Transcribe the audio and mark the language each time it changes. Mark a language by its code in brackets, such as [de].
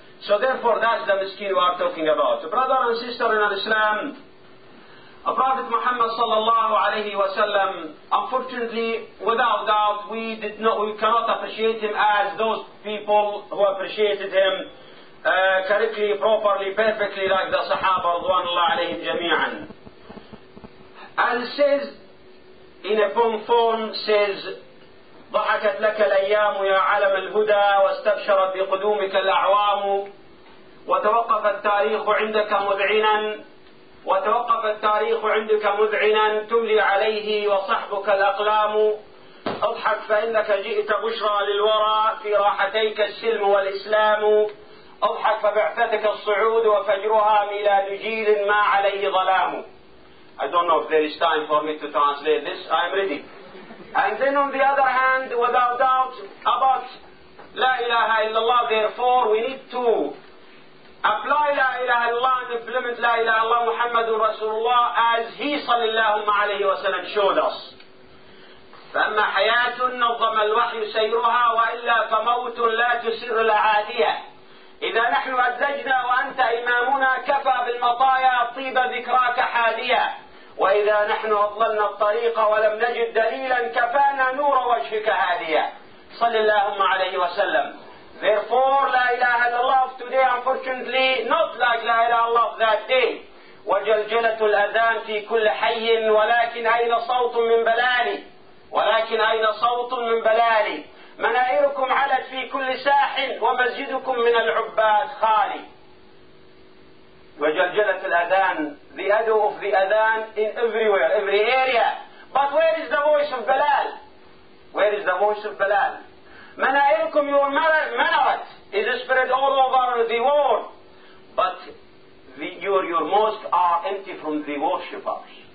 [en] So therefore, that's the miskin we are talking about. Brother and sister in Islam, Prophet Muhammad sallallahu alayhi wa sallam, unfortunately, without doubt, we cannot appreciate him as those people who appreciated him correctly, properly, perfectly, like the Sahaba radhwan Allah alayhim jami'an. As it says in a poem, says, [ar] ضحكت لك الأيام يا عالم الهدى واستبشرت بقدومك الأعوام وتوقف التاريخ عندك مذعنا وتوقف التاريخ عندك مذعنا تملي عليه وصحبك الأقلام اضحك فإنك جئت بشرى للورى في راحتيك السلم والإسلام اضحك فبعثتك الصعود وفجرها ميلاد جيل ما عليه ظلام. [en] I don't know if there is time for me to translate this. I am ready. And then on the other hand, without doubt, about La ilaha illallah, therefore, we need to apply La ilaha illallah and implement La ilaha illallah Muhammadun Rasulullah as he sallallahu alayhi wa sallam showed us. [ar] فَأَمَّا حَيَاتٌ نَظَّمَ الْوَحْيُ سَيْرُهَا وَإِلَّا فَمَوْتٌ لَا تُسِرُ الْعَادِيَةِ إِذَا نَحْنُ أَزَّجْنَا وَأَنْتَ إِمَامُنَا كَفَى بِالْمَطَايَا طِيبَ ذِكْرَاكَ حَادِيَةِ وإذا نحن أضللنا الطريق ولم نجد دليلا كفانا نور وجهك هاديا صلى الله عليه وسلم. [en] Therefore, [ar] لا إله إلا الله [en] of today, unfortunately, not like لا إله إلا الله of that day. [ar] وجلجلة الأذان في كل حي ولكن أين صوت من بلالي ولكن أين صوت من بلالي منائركم علت في كل ساح ومسجدكم من العباد خالي. وَجَلْجَلَةِ الْأَذَانِ, [en] the echo of the adhan in everywhere, every area. But where is the voice of Bilal? Where is the voice of Bilal? مَنَائِرْكُمْ your minaret is spread all over the world. But your mosques are empty from the worshippers.